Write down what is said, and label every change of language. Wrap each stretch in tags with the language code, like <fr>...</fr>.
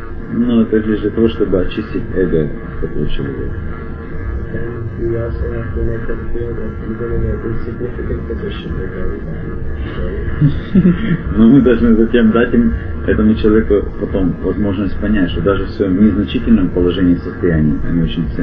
<ru>Но это лишь для того, чтобы очистить эго этого человека.</ru> <en>And we also have to make them feel that even in an insignificant position, they're very valuable.</en> <ru>Но мы должны затем дать им этому человеку потом возможность понять, что даже в своем незначительном положении и состоянии они очень ценны.</ru>